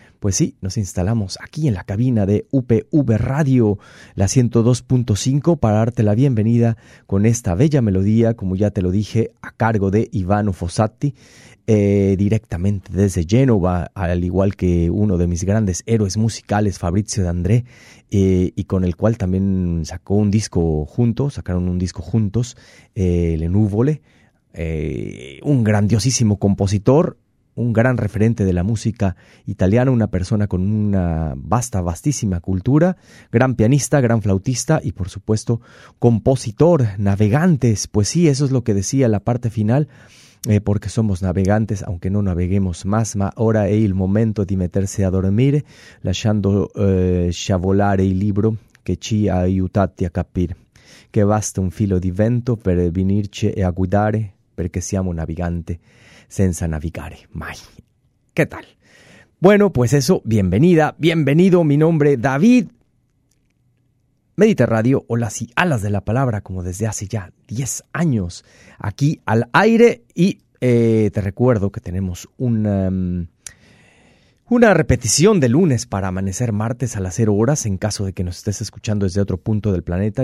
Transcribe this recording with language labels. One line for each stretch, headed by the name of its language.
Spanish: Pues sí, nos instalamos aquí en la cabina de UPV Radio, la 102.5, para darte la bienvenida con esta bella melodía, como ya te lo dije, a cargo de Ivano Fossati, directamente desde Génova, al igual que uno de mis grandes héroes musicales, Fabrizio D'André, y con el cual también sacaron un disco juntos, Le Nuvole, un grandiosísimo compositor, un gran referente de la música italiana, una persona con una vasta, vastísima cultura, gran pianista, gran flautista y, por supuesto, compositor, navegantes. Pues sí, eso es lo que decía la parte final, porque somos navegantes, aunque no naveguemos más,
Italian: ma ora è il momento di mettersi a dormire, lasciando sciavolare il libro che ci ha aiutati a capire che basta un filo di vento per venirci a guidare perché siamo navegante. Senza navigare, mai.
Spanish: ¿Qué tal? Bueno, pues eso, bienvenida, bienvenido, mi nombre David, Mediterráneo, olas y alas de la palabra, como desde hace ya 10 años, aquí al aire, y te recuerdo que tenemos una repetición de lunes para amanecer martes a las 0 horas, en caso de que nos estés escuchando desde otro punto del planeta.